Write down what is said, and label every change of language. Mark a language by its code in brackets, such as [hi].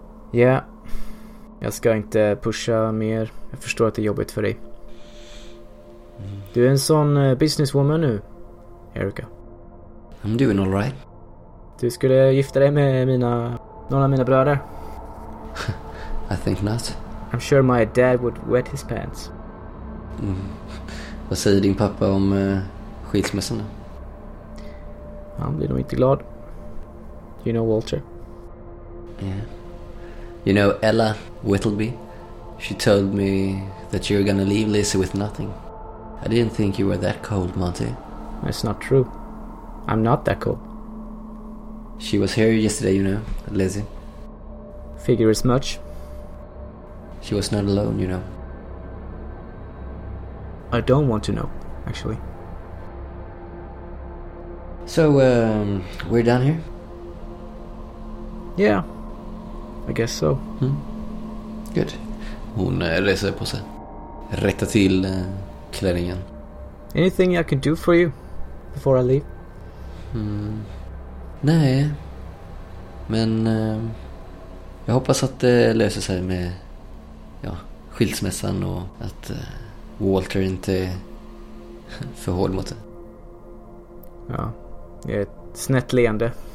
[sv] Ja. Jag ska inte pusha mer. Jag förstår att det är jobbigt för dig. Du är en sån businesswoman nu, Erica. [en] I'm doing all right. [sv] Du skulle gifta dig med någon av mina bröder. [en] I think not. I'm sure my dad would wet his pants. Mm. [sv] Vad säger din pappa om skilsmässan? Han blir nog inte glad. [en] You know Walter? Yeah. You know Ella Whittleby? She told me that you were gonna leave Lisa with nothing. I didn't think you were that cold, Monty. That's not true. I'm not that cold. She was here yesterday, you know, Lizzie. Figure as much. She was not alone, you know. I don't want to know, actually. So, we're done here? Yeah, I guess so. Hmm. Good. [sv] Hon reser på sig. Rätta till klänningen. [en] Anything I can do for you before I leave? [sv] Mm. Nej. Men jag hoppas att det löser sig med skilsmässan och att Walter inte är för hård mot det. Ja, det är ett snett leende.